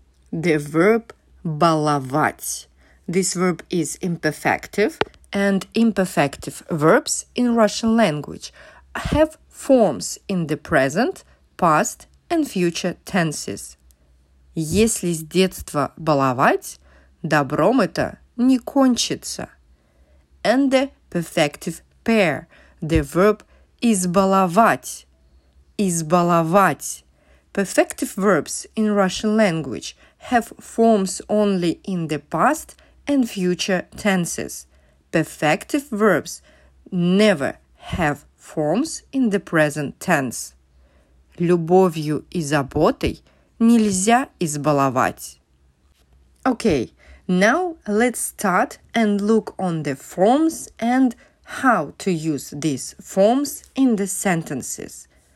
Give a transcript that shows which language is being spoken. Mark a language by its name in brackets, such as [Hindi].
[English] The verb баловать. This verb is imperfective, and imperfective verbs in Russian language have forms in the present, past, and future tenses. [Russian] Если с детства баловать, добром это не кончится. [English] And the perfective pair, the verb избаловать, избаловать. Perfective verbs in Russian language have forms only in the past and future tenses. Perfective verbs never have forms in the present tense. [Russian] Любовью и заботой нельзя избаловать. [English] Okay, now let's start and look on the forms and how to use these forms in the sentences.